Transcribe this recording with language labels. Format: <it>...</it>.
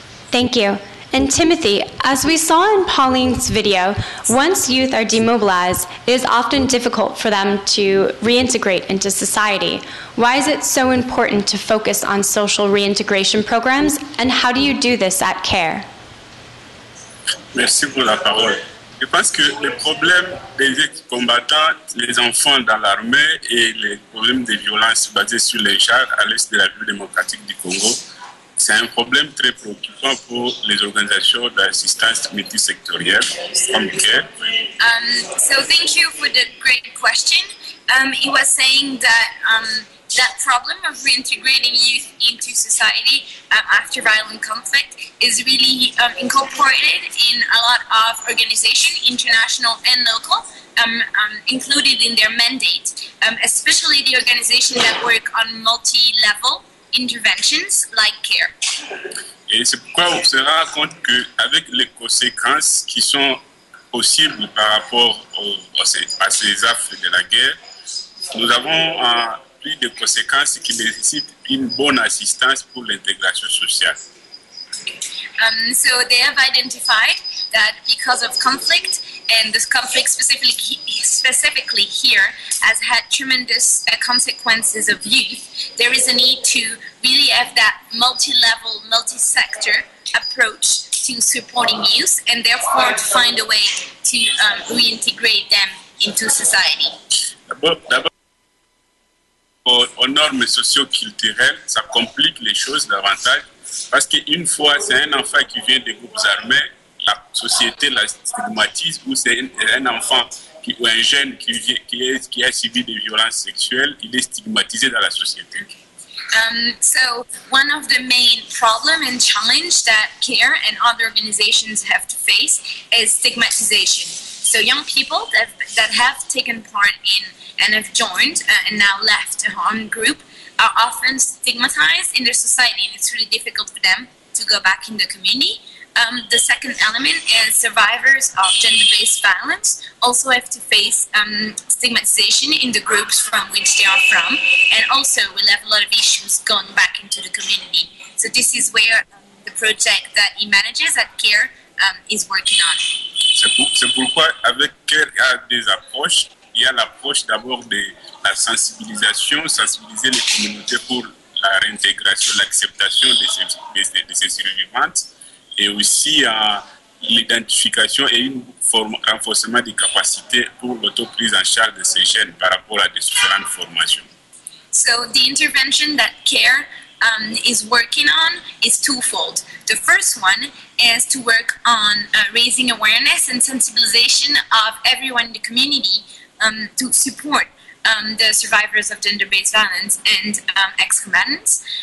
<en>Thank you. And Timothee, as we saw in Pauline's video, once youth are demobilized, it is often difficult for them to reintegrate into society. Why is it so important to focus on social reintegration programs, and how do you do this at CARE?</en> <fr>Merci pour la parole. Je pense que les problèmes des ex-combattants, les enfants dans l'armée et les problèmes de violence basés sur les chars à l'est de la République démocratique du Congo, c'est un problème très préoccupant pour les organisations d'assistance multisectorielle comme CARE.</fr> <en>So thank you for the great question. It was saying that that problem of reintegrating youth into society after violent conflict is really incorporated in a lot of organizations, international and local, included in their mandate, especially the organizations that work on multi-level interventions like CARE.</en> <fr>Et c'est pourquoi on se rend compte que avec les conséquences qui sont possibles par rapport à ces affres de la guerre, nous avons plus de conséquences qui nécessitent une bonne assistance pour l'intégration sociale.</fr> <en>So they have identified that because of conflict, and this conflict specifically here has had tremendous consequences of youth, there is a need to really have that multi-level, multi-sector approach to supporting youth, and therefore to find a way to reintegrate them into society.</en> <fr>Aux normes socio-culturelles, ça complique les choses davantage parce qu'une fois, c'est un enfant qui vient des groupes armés, la société la stigmatise, ou c'est un enfant qui, ou un jeune qui a subi des violences sexuelles, il est stigmatisé dans la société.</fr> <en>So, one of the main problems and challenges that CARE and other organizations have to face is stigmatization. So, young people that have taken part in and have joined and now left a armed group are often stigmatized in their society, and it's really difficult for them to go back in the community. The second element is survivors of gender-based violence also have to face stigmatization in the groups from which they are from, and also will have a lot of issues going back into the community. So this is where the project that he manages at CARE is working on.</en> <fr>C'est pourquoi avec CARE il y a des approches. Il y a l'approche d'abord de la sensibilisation, sensibiliser les communautés pour la réintégration, l'acceptation de ces survivantes, et aussi l'identification et un renforcement des capacités pour l'auto-prise en charge de ces jeunes par rapport à des différentes formations.</fr> <en>So the intervention that CARE is working on is twofold. The first one is to work on raising awareness and sensibilization of everyone in the community to support the survivors of gender-based violence and ex-combatants.</en>